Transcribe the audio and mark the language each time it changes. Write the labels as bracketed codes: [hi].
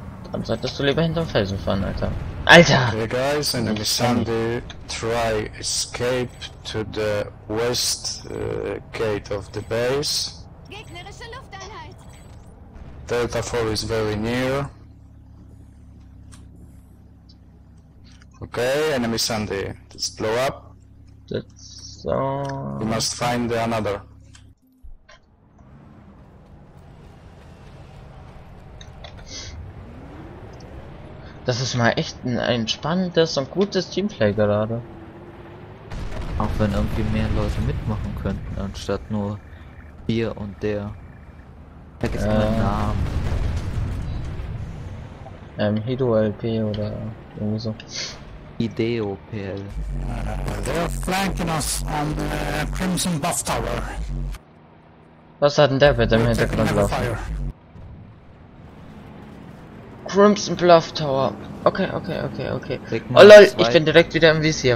[de] Dann solltest du lieber hinterm Felsen fahren, Alter. Alter! [en] Okay, guys, and the Sandy try escape to the west gate of the base. [de] Gegnerische Lufteinheit. [en] Delta 4 is very near. Okay, enemy Sandy. Let's blow up. That's we must find another. [de] Das ist mal echt ein spannendes und gutes Teamplay gerade. Auch wenn irgendwie mehr Leute mitmachen könnten, anstatt nur hier und der. Vergiss meinen Namen. Hido LP oder irgendwie so. Ideo PL. [en] They're flanking us on the Crimson Buff Tower. [de] Was hat denn der bitte im Hintergrund laufen? Crimson Bluff Tower. Okay. Oh lol, ich bin direkt wieder im Visier.